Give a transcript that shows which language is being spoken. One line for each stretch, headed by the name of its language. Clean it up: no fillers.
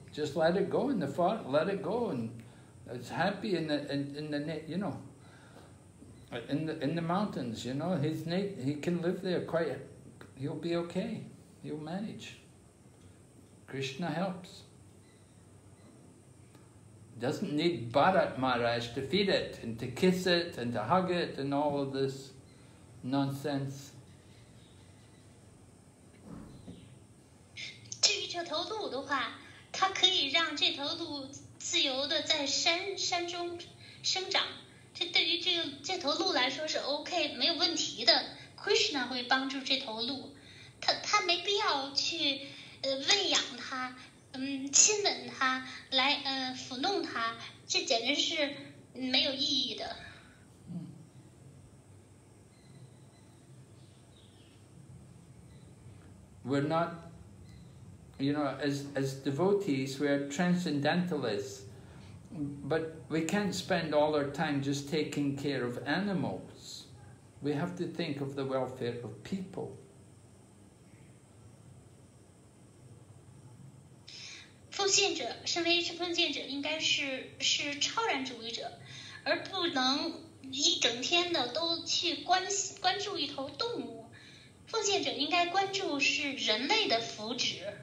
English: Just let it go in the forest, let it go, and it's happy in the In the mountains, you know, he can live there quite, he'll be okay, he'll manage. Krishna helps. Doesn't need Bharat Maharaj to feed it and to kiss it and to hug it and all of this nonsense.
Chinese: 至于这头鹿的话，它可以让这头鹿自由地在山中生长。这对于这头鹿来说是 OK 没有问题的 Krishna 会帮助这头鹿他没必要去喂养它亲吻它来抚弄它这简直是没有意义的
English: We're not you know as devotees we are transcendentalistsBut we can't spend all our time just taking care of animals. We have to think of the welfare of people.
Chinese: 奉献者，身为奉献者，应该是超然主义者，而不能一整天的都去关注一头动物。奉献者应该关注是人类的福祉。